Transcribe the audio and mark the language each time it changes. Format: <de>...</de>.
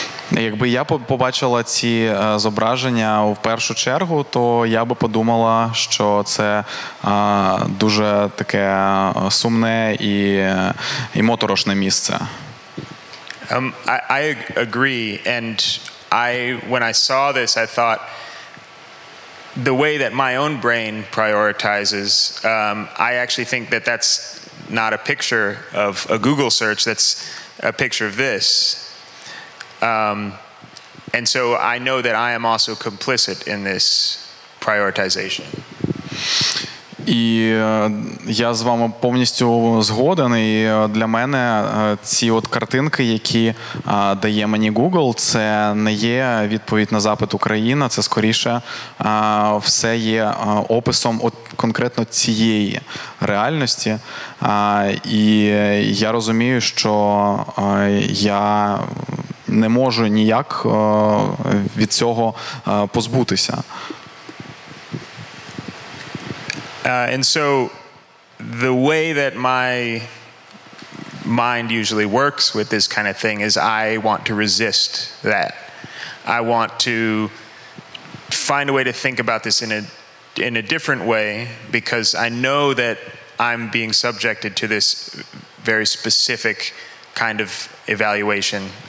<uk>Якби я побачила ці зображення в першу чергу, то я би подумала, що це дуже таке сумне і моторошне місце.</uk> <en>I agree, and when I saw this, I thought the way that my own brain prioritizes, I actually think that that's not a picture of a Google search, that's a picture of this. And so I know that I am also complicit in this prioritization.</en> <uk>І я з вами повністю згоден, і для мене ці от картинки, які дає мені Google, це не є відповідь на запит Україна, це скоріше все є описом от конкретно цієї реальності. І я розумію, що я не можу ніяк від цього позбутися.</uk> <en>And so the way that my mind usually works with this kind of thing is I want to resist that. I want to find a way to think about this in a in a different way because I know that I'm being subjected to this very specific kind of evaluation.</en>